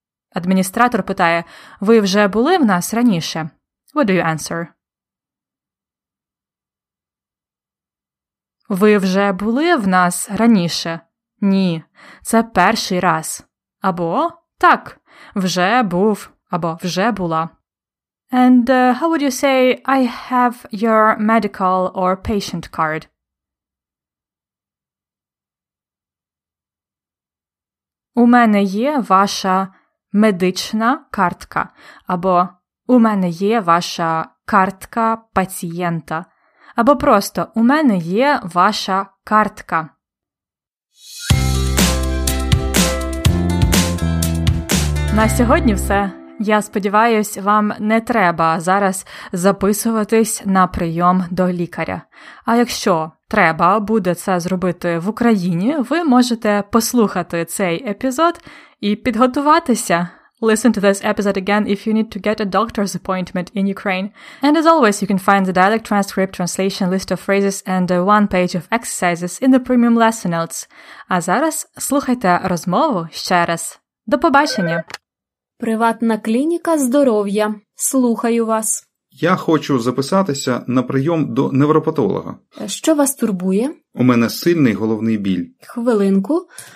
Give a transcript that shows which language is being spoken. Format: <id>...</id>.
<uk>Адміністратор питає: ви вже були в нас раніше?</uk> <en>What do you answer?</en> <uk>Ви вже були в нас раніше? Ні, це перший раз. Або так, вже був, або вже була.</uk> <en>And how would you say I have your medical or patient card?</en> <uk>У мене є ваша медична картка, або у мене є ваша картка пацієнта, або просто у мене є ваша картка. На сьогодні все. Я сподіваюся, вам не треба зараз записуватись на прийом до лікаря. А якщо треба буде це зробити в Україні, ви можете послухати цей епізод і підготуватися.</uk> <en>Listen to this episode again if you need to get a doctor's appointment in Ukraine. And as always, you can find the dialect transcript, translation, list of phrases and one page of exercises in the premium lesson notes.</en> <uk>А зараз слухайте розмову ще раз. До побачення! Приватна клініка здоров'я. Слухаю вас. Я хочу записатися на прийом до невропатолога. Що вас турбує? У мене сильний головний біль. Хвилинку.</uk>